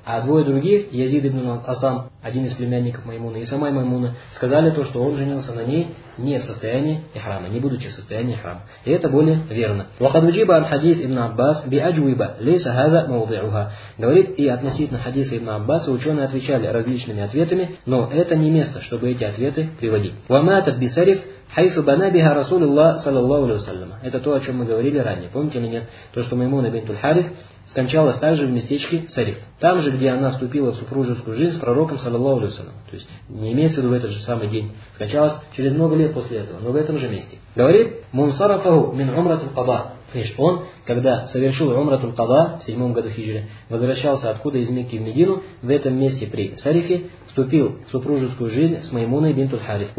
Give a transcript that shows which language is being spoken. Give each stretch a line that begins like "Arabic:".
Russian: А двое других, Язид ибн Асам, один из племянников Маймуны, и сама Маймуна, сказали то, что он женился на ней не в состоянии ихрама, не будучи в состоянии ихрама. И это более верно.
Arabic: وقد وجب عن حديث ابن عباس بأن الأجوبة ليس هذا موضعها.
Russian: Говорит и относительно хадиса Ибн Аббаса ученые отвечали различными ответами, но это не место, чтобы эти ответы приводить.
Arabic: وماتت بسرف حيث بنى بها رسول الله صلى الله عليه وسلم.
Russian: Это то, о чем мы говорили ранее, помните или нет? То, что Маймуна бинт аль-Харис скончалась также в местечке Сариф, там же, где она вступила в супружескую жизнь с пророком, саллаллаху алейхи ва саллям. То есть, не имеется в виду в этот же самый день. Скончалась через много лет после этого, но в этом же месте. Говорит,
Arabic: «Мунсарафаху мин умрат аль-Када».
Russian: Видишь, он, когда совершил умрат аль-Када в 7 году хиджры, возвращался откуда из Мекки в Медину, в этом месте при Сарифе, вступил в супружескую жизнь с Маймуной бинт аль-Харис.